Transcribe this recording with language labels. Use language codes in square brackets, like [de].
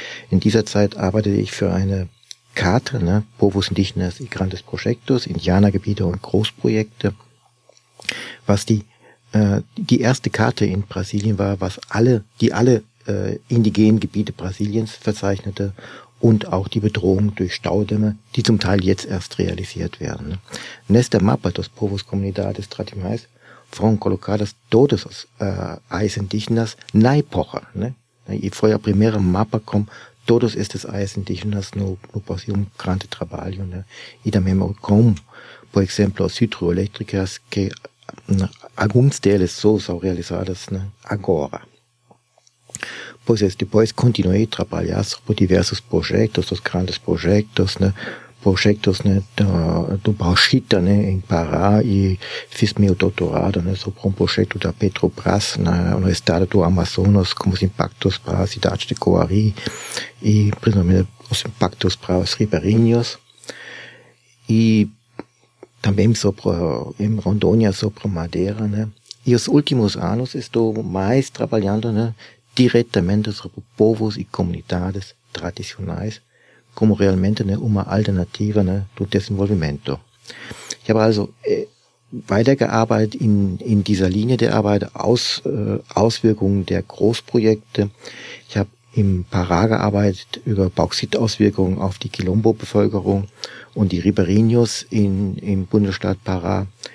[de] In dieser Zeit arbeitete ich für eine Karte, ne, Povos Indígenas y Grandes Projetos, Indianergebiete und Großprojekte, was die erste Karte in Brasilien war, die alle indigenen Gebiete Brasiliens verzeichnete und auch die Bedrohung durch Staudämme, die zum Teil jetzt erst realisiert werden. Ne. [pt] Nesta mapa dos povos comunidades tradicionais foram colocadas todos os Eis Indígenas na época, ne. E foi a primeira mapa com todos estes áreas indígenas no Brasil um grande trabalho, né? E também como, por exemplo, as hidroelétricas, que alguns deles só são realizadas, né, agora. Pois é, depois continuei a trabalhar sobre diversos projetos, os grandes projetos, né? Projetos, né, do Bauxita, né, em Pará, e fiz meu doutorado, né, sobre um projeto da Petrobras, né, no estado do Amazonas, como os impactos para a cidade de Coari e principalmente os impactos para os ribeirinhos. E também sobre, em Rondônia, sobre Madeira, né. E os últimos anos estou mais trabalhando, né, diretamente sobre povos e comunidades tradicionais, como realmente, né, uma alternativa, né, do desenvolvimento. [de] Ich habe also weitergearbeitet in dieser Linie der Arbeit aus Auswirkungen der Großprojekte. Ich habe im Pará gearbeitet über Bauxitauswirkungen auf die Quilombo-Bevölkerung und die Ribeirinhos im Bundesstaat Pará.